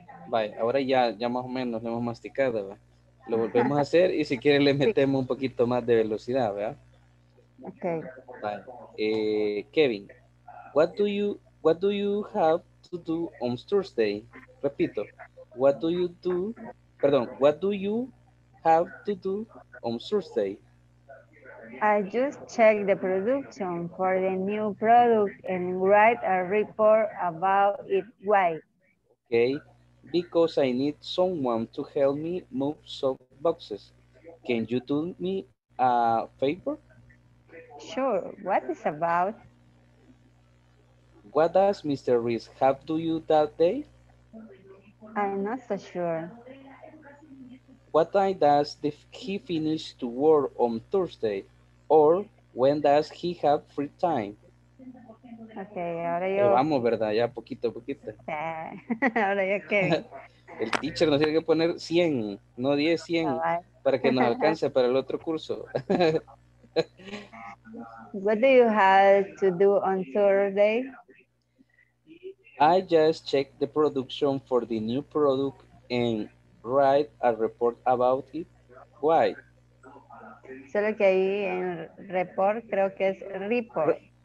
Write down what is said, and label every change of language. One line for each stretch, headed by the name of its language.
Spanish: Vale, ahora ya más o menos lo hemos masticado. ¿Verdad? Lo volvemos a hacer y si quieren le metemos un poquito más de velocidad, ¿verdad?
English: Okay.
Spanish: Vale. Kevin.
English: What do you have to do on Thursday?
Spanish: Repito.
English: What do you have to do on Thursday? I just checked the production for the new product and write a report about it. Why? Okay. Because I need someone to help me move some boxes. Can you do me a favor? Sure. What is about? What does Mr. Reese have to you that day? I'm not so sure. What time does he finish to work on Thursday? Or when does he have free time?
Spanish: Okay, ahora yo. Vamos, ¿verdad? Ya poquito a poquito. Ahora yo qué. El teacher nos tiene que poner 100, no 10, 100, para que nos alcance para el otro curso.
English: What do you have to do on Thursday? I just checked the production for the new product and write a report about it. Why?
Spanish: Solo que ahí en report, creo que es report.